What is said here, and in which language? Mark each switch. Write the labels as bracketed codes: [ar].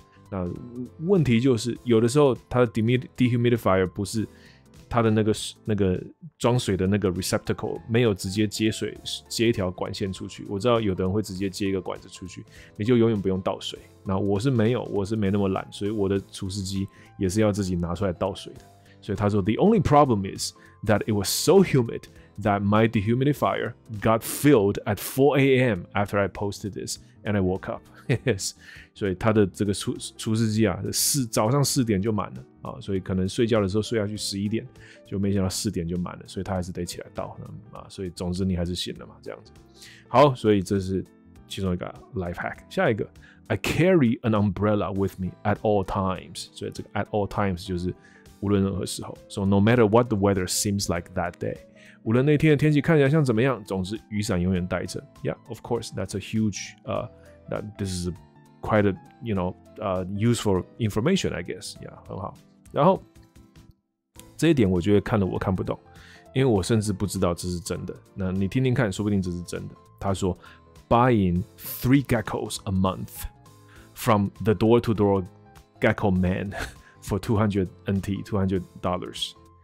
[zh] 那问题就是有的时候它的 dehumidifier 不是它的那个装水的那个 receptacle 没有直接接水接一条管线出去。我知道有的人会直接接一个管子出去，你就永远不用倒水。那我是没有，我是没那么懒，所以我的除湿机也是要自己拿出来倒水的。所以他说 [en] the only problem is that it was so humid. That my dehumidifier got filled at 4 a.m. after I posted this, and I woke up. [zh] Yes, 所以他的这个除湿机啊，早上四点就满了啊、哦，所以可能睡觉的时候睡下去11点，就没想到4点就满了，所以他还是得起来倒、所以总之你还是醒了嘛，这样子。好，所以这是其中一个 life hack。下一个 [en] ，I carry an umbrella with me at all times. [zh] 所以这个 [en] at all times [zh] 就是无论任何时候。 [en] So no matter what the weather seems like that day. [zh] 无论那天的天气看起来像怎么样，总之雨伞永远带着。 [en] Yeah, of course, that's a huge, this is quite a, you know, useful information, I guess. [zh] Yeah, 很好。然后这一点我觉得看了我看不懂，因为我甚至不知道这是真的。那你听听看，说不定这是真的。他说 [en] ，buying 3 geckos a month from the door-to-door gecko man for $200.